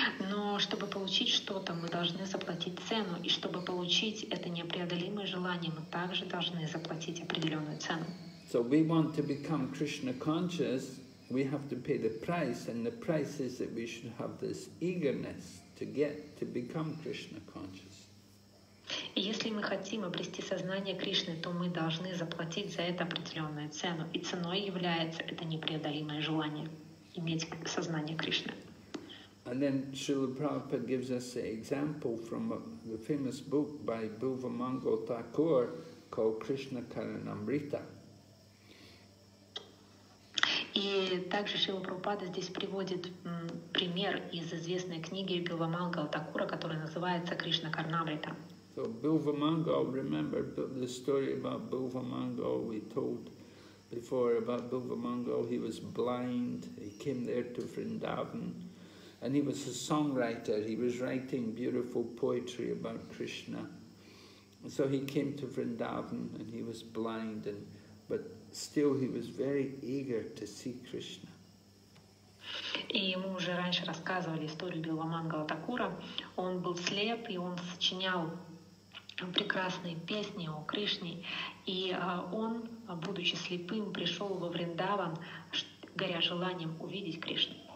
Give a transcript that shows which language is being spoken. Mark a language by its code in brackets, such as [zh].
[ru] Но чтобы получить что-то, мы должны заплатить цену, и чтобы получить это непреодолимое желание, мы также должны заплатить определенную цену. [en] So we want to become Krishna conscious, we have to pay the price, and the price is that we should have this eagerness to become Krishna conscious. [ru] И если мы хотим обрести сознание Кришны, то мы должны заплатить за это определенную цену, и ценой является это непреодолимое желание иметь сознание Кришны. [en] And then Srila Prabhupada gives us an example from the famous book by Bhuva Mangal Thakur called called Krishna Karanamrita. [ru] И также Шрила Прабхупада здесь приводит пример из известной книги Билвамангал Такура, которая называется Кришна Карнамрита. [en] So Билвамангал, remember the story about Билвамангал we told before about Билвамангал. He was blind. He came there to Vrindavan, and he was a songwriter. He was writing beautiful poetry about Krishna. So he came to Vrindavan, and he was blind, and but. Still, he was very eager to see Krishna. [ru] И мы уже раньше рассказывали историю Билвамангала Такура. Он был слеп, и он сочинял прекрасные песни о Кришне. И он, будучи слепым, пришел во Вриндаван, горя желанием увидеть Кришну.